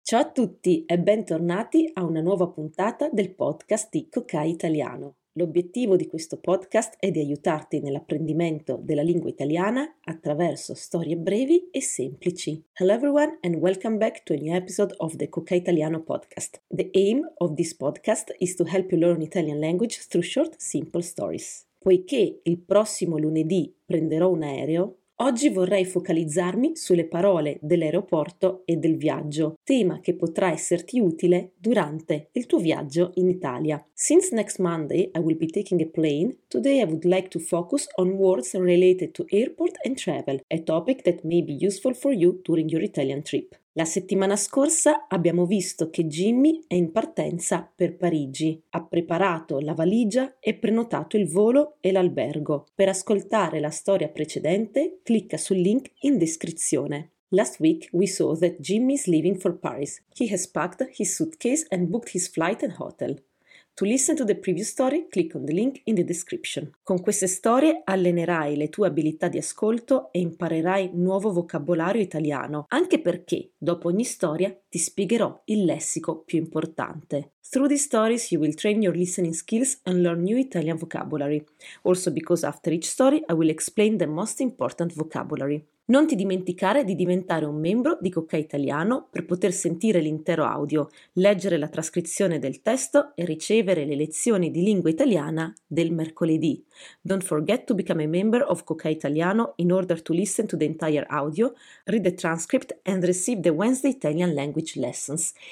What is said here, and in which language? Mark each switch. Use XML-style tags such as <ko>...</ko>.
<it>Ciao a tutti e bentornati a una nuova puntata del podcast di Cocai Italiano. L'obiettivo di questo podcast è di aiutarti nell'apprendimento della lingua italiana attraverso storie brevi e semplici.</it> <en>Hello everyone and welcome back to a new episode of the Cocai Italiano podcast. The aim of this podcast is to help you learn Italian language through short, simple stories.</en> <it>Poiché il prossimo lunedì prenderò un aereo, oggi vorrei focalizzarmi sulle parole dell'aeroporto e del viaggio, tema che potrà esserti utile durante il tuo viaggio in Italia.</it> <en>Since next Monday I will be taking a plane, today I would like to focus on words related to airport and travel, a topic that may be useful for you during your Italian trip.</en> <it>La settimana scorsa abbiamo visto che Jimmy è in partenza per Parigi. Ha preparato la valigia e prenotato il volo e l'albergo. Per ascoltare la storia precedente, clicca sul link in descrizione.</it> <en>Last week we saw that Jimmy is leaving for Paris. He has packed his suitcase and booked his flight and hotel. To listen to the previous story, click on the link in the description.</en> <it>Con queste storie allenerai le tue abilità di ascolto e imparerai nuovo vocabolario italiano, anche perché dopo ogni storia ti spiegherò il lessico più importante.</it> <en>Through these stories you will train your listening skills and learn new Italian vocabulary. Also because after each story I will explain the most important vocabulary.</en> <it>Non ti dimenticare di diventare un membro di Cocai Italiano per poter sentire l'intero audio, leggere la trascrizione del testo e ricevere le lezioni di lingua italiana del mercoledì.</it> <en>Don't forget to become a member of Cocai Italiano in order to listen to the entire audio, read the transcript and receive the Wednesday Italian Language Lessons.</en>